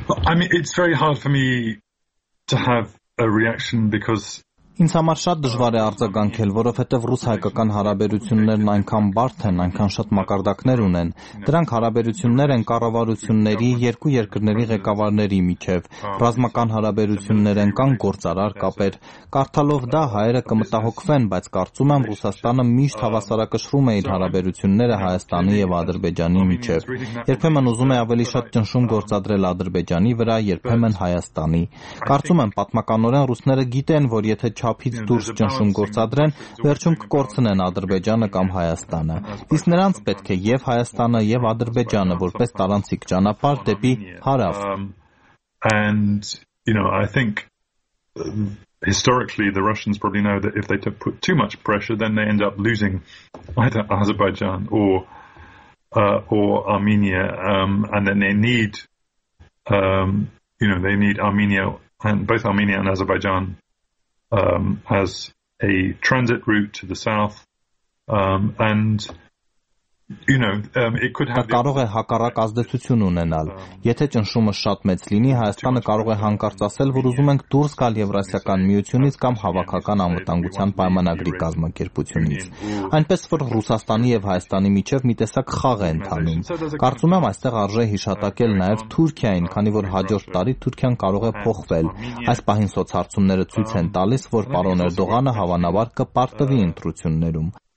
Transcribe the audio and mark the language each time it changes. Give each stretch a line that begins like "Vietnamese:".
English: I mean, it's very hard for me to have a reaction because
Armenian: ինձ համար շատ դժվար է արձագանքել, որովհետև ռուս-հայկական հարաբերություններն այնքան բարդ են, այնքան շատ մակարդակներ ունեն։ Դրանք հարաբերություններ են կառավարությունների երկու երկրների ղեկավարների միջև, ռազմական հարաբերություններ են կան գործարար կապեր։ Կարդալով դա հայերը կմտահոգվեն, բայց կարծում եմ Ռուսաստանը միշտ հավասարակշռում է իր հարաբերությունները Հայաստանի եւ Ադրբեջանի միջև։ Երբեմն ուզում է ավելի շատ ճնշում գործադրել Ադրբեջանի վրա, երբեմն Հայաստանի։ Կարծում եմ պատմականորեն ռուսները գիտեն, որ թե չափից դուրս ճնշում գործադրեն, վերջում կկորցնեն Ադրբեջանը կամ Հայաստանը։ Իսկ նրանց պետք է եւ Հայաստանը, եւ Ադրբեջանը որպես տարանցիկ ճանապարհ դեպի հարավ։
English: And you know, I think historically the Russians probably know that if they put too much pressure then they end up losing either Azerbaijan or Armenia and then they need Armenia and both Armenia and Azerbaijan as a transit route to the south and you know it could have
Armenian: կարող է հակառակ ազդեցություն ունենալ, եթե ճնշումը շատ մեծ լինի, Հայաստանը կարող է հանկարծ ասել, որ ուզում ենք դուրս գալ Եվրասիական միությունից կամ Հավաքական անվտանգության պայմանագրի կազմակերպությունից, այնպես որ Ռուսաստանի եւ Հայաստանի միջև մի տեսակ խաղ է ընթանում։ Կարծում եմ այստեղ արժե հիշատակել նաեւ Թուրքիային, քանի որ հաջորդ տարի Թուրքիան կարող է փոխվել։ Այս պահին սոցհարցումները ցույց են տալիս, որ պարոն Էրդողանը հավանաբար կպարտվի ընտրություններում։